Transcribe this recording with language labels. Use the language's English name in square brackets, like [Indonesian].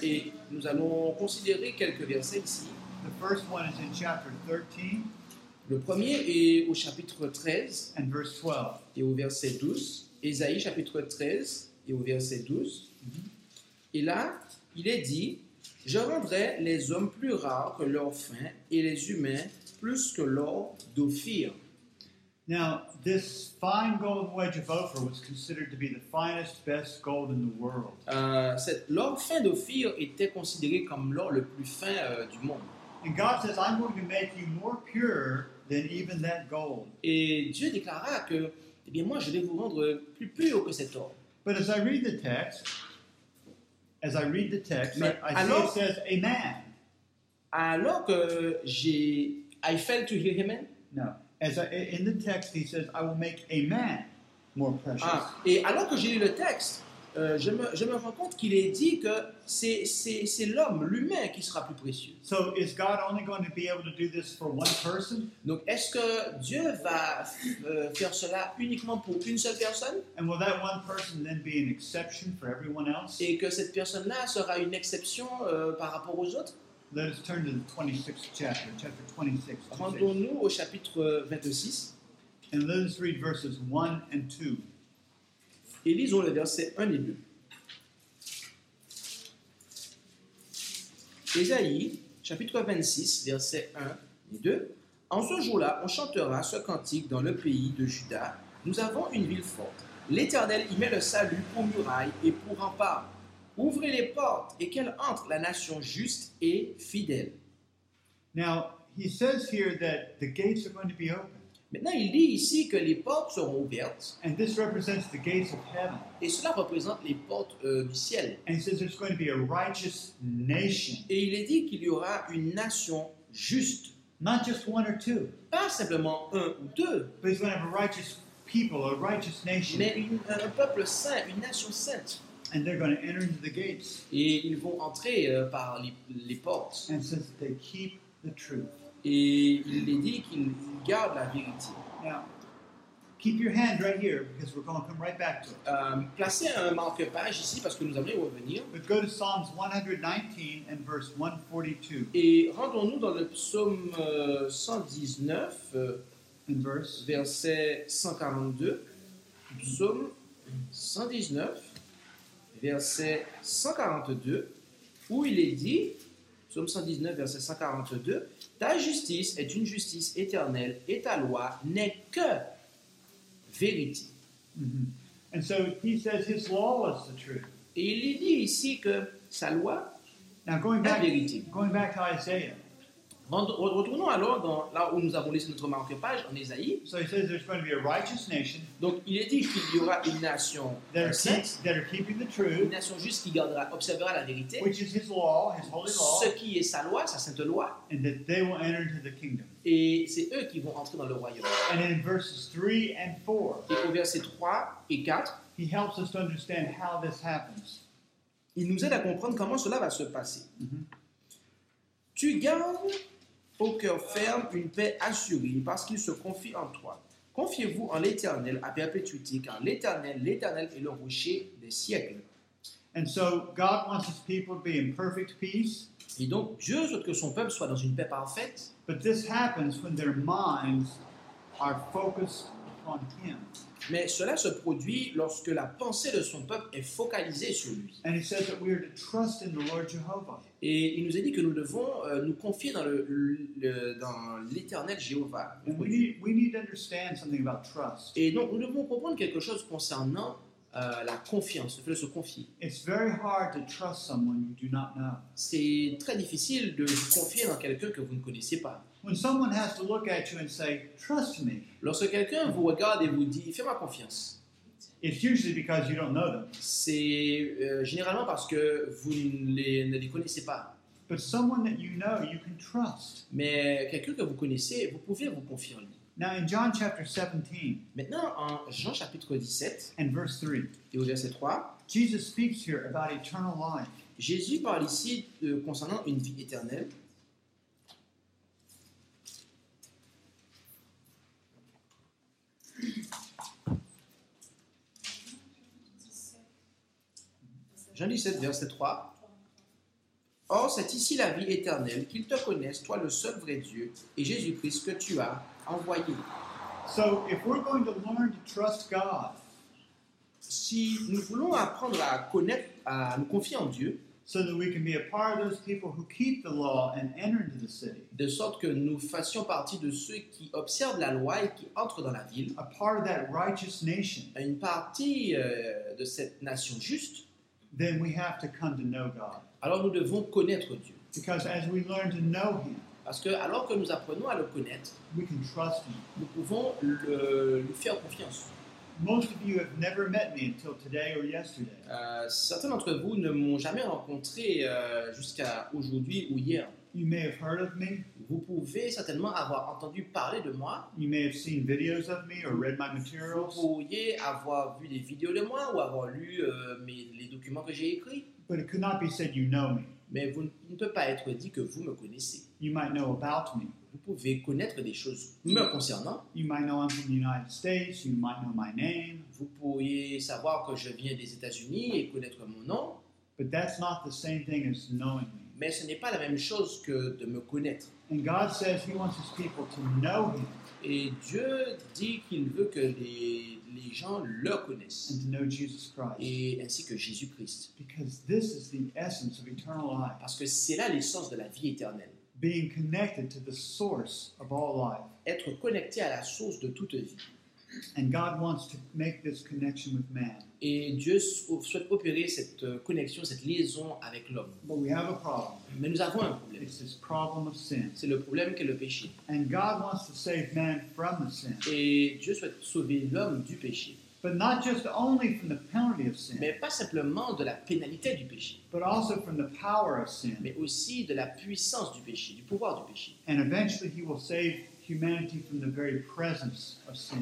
[French] Et nous allons considérer quelques versets ici. [English] The first one is in chapter 13. [French] Le premier est au chapitre 13 [English] and verse 12. [French] Et au verset 12. Ésaïe chapitre 13 et au verset 12. Mm-hmm. Et là, il est dit, « Je rendrai les hommes plus rares que leur faim et les humains plus que l'or d'Ophir. » [English] Now, this fine gold wedge of Ophir was considered to be the finest, best gold in the world. [French] L'or fin d'Ophir était considéré comme l'or le plus fin du monde. [English] And God says, I'm going to make you more pure than even that gold. [French] Et Dieu déclara que, eh bien moi, je vais vous rendre plus pur que cet or. [English] But as I read the text, I see it says, amen. [French] Alors que [English] I fail to hear him. No. In the text, he says, I will make a man more precious. [French] Ah, et alors que j'ai lu le texte, je me rends compte qu'il est dit que c'est l'homme, l'humain, qui sera plus précieux. [English] So is God only going to be able to do this for one person? [French] Donc est-ce que Dieu va faire cela uniquement pour une seule personne? [English] And will that one person then be an exception for everyone else? [French] Et que cette personne-là sera une exception par rapport aux autres? [English] Let us turn to the 26th chapter, chapter 26. [French] Rendons-nous au chapitre 26. [English] And let us read verses 1 and 2. [French] Et lisons le verset 1 et 2. Ésaïe, chapitre 26, verset 1 et 2. En ce jour-là, on chantera ce cantique dans le pays de Juda. Nous avons une ville forte. L'Éternel y met le salut pour muraille et pour rempart. Ouvrez les portes et qu'elle entre la nation juste et fidèle. [English] Now, he says here that the gates are going to be open. [French] Maintenant, il dit ici que les portes seront ouvertes. [English] And this represents the gates of heaven. [French] Et cela représente les portes du ciel. [English] And he says there's going to be a righteous nation. [French] Et il est dit qu'il y aura une nation juste. [English] Not just one or two. [French] Pas simplement un ou deux. [English] But he's going to have a righteous people, a righteous nation. [French] Mais un peuple saint, une nation sainte. [English] And they're going to enter into the gates. [French] Et ils vont entrer par les portes. [English] And it says they keep the truth. [French] Et il est dit qu'ils gardent la vérité. [English] Now, keep your hand right here because we're going to come right back to it. [French] Placez un marque-page ici parce que nous allons y revenir. [English] But go to Psalms 119 and verse 142. [French] Et rendons-nous dans le psaume 119, verset 142. Psaume 119. Verset 142, où il est dit, psaume 119, verset 142, « Ta justice est une justice éternelle, et ta loi n'est que vérité. [English] Mm-hmm. » And so he says his law is the truth. [French] Et il dit ici que sa loi est vérité. [English] Going back to Isaiah. [French] Retournons alors dans là où nous avons laissé notre marque-page, en Ésaïe. [English] So he says there's going to be a righteous nation. [French] Donc il est dit qu'il y aura une nation [English] sainte, that are keeping the truth, [French] une nation juste qui gardera, observera la vérité, [English] which is his law, his holy law, [French] ce qui est sa loi, sa sainte loi, [English] and that they will enter into the kingdom. [French] Et c'est eux qui vont entrer dans le royaume. [English] And in verses 3 and 4, [French] et au verset 3 et 4, [English] he helps us to understand how this happens. [French] Il nous aide à comprendre comment cela va se passer. Mm-hmm. Tu gardes au cœur ferme une paix assurée parce qu'il se confie en toi. Confiez-vous en l'Éternel à perpétuité, car l'Éternel, l'Éternel est le rocher des siècles. [English] And so God wants his people to be in perfect peace. [French] Et donc Dieu souhaite que son peuple soit dans une paix parfaite. [English] But this happens when their minds are focused on him. [French] Mais cela se produit lorsque la pensée de son peuple est focalisée sur lui. [English] And he says that we are to trust in the Lord Jehovah. [French] Et il nous a dit que nous devons nous confier dans dans l'Éternel Jéhovah. [English] We need to understand something about trust. [French] Et donc nous devons comprendre quelque chose concernant la confiance, le fait de se confier. [English] It's very hard to trust someone you do not know. [French] C'est très difficile de se confier dans quelqu'un que vous ne connaissez pas. [English] When someone has to look at you and say, "Trust me." [French] Lorsque quelqu'un vous regarde et vous dit, fais-moi confiance. [English] It's usually because you don't know them. [French] C'est généralement parce que vous ne les connaissez pas. [English] But someone that you know, you can trust. [French] Mais quelqu'un que vous connaissez, vous pouvez vous confier en lui. [English] Now in John chapter 17. [French] Maintenant en Jean chapitre 17. [English] And verse 3. [French] Et au verset 3. [English] Jesus speaks here about eternal life. [French] Jésus parle ici concernant une vie éternelle. Jean 17, verset 3. Or, c'est ici la vie éternelle, qu'ils te connaissent, toi le seul vrai Dieu, et Jésus-Christ que tu as envoyé. [English] So, if we're going to learn to trust God, [French] si nous voulons apprendre à connaître, à nous confier en Dieu, [English] so that we can be a part of those people who keep the law and enter into the city. [French] De sorte que nous fassions partie de ceux qui observent la loi et qui entrent dans la ville. [English] A part of that righteous nation. [French] Une partie de cette nation juste. [English] Then we have to come to know God. [French] Alors nous devons connaître Dieu. [English] Because as we learn to know him. [French] Parce que alors que nous apprenons à le connaître. [English] We can trust him. [French] Nous pouvons lui faire confiance. [English] Most of you have never met me until today or yesterday. [French] Certains d'entre vous ne m'ont jamais rencontré jusqu'à aujourd'hui ou hier. [English] You may have heard of me. [French] Vous pouvez certainement avoir entendu parler de moi. [English] You may have seen videos of me or read my materials. [French] Vous pourriez avoir vu des vidéos de moi ou avoir lu les documents que j'ai écrits. [English] But it could not be said you know me. [French] Mais il ne peut pas être dit que vous me connaissez. [English] You might know about me. [French] Vous pouvez connaître des choses me concernant. [English] You might know I'm from the United States. You might know my name. [French] Vous pourriez savoir que je viens des États-Unis et connaître mon nom. [English] But that's not the same thing as knowing me. [French] Mais ce n'est pas la même chose que de me connaître. [English] And God says he wants his people to know him. [French] Et Dieu dit qu'il veut que les gens le connaissent. [English] And to know Jesus Christ. [French] Et ainsi que Jésus-Christ. [English] Because this is the essence of eternal life. [French] Parce que c'est là l'essence de la vie éternelle. [English] Being connected to the source of all life. [French] Être connecté à la source de toute vie. [English] And God wants to make this connection with man. [French] Et Dieu souhaite opérer cette connexion, cette liaison avec l'homme. [English] But we have a problem. [French] Mais nous avons un problème. [English] It's this problem of sin. [French] C'est le problème qu'est le péché. [English] And God wants to save man from the sin. [French] Et Dieu souhaite sauver l'homme du péché. [English] But not just only from the penalty of sin. [French] Mais pas simplement de la pénalité du péché. [English] But also from the power of sin. [French] Mais aussi de la puissance du péché, du pouvoir du péché. [English] And eventually he will save humanity from the very presence of sin.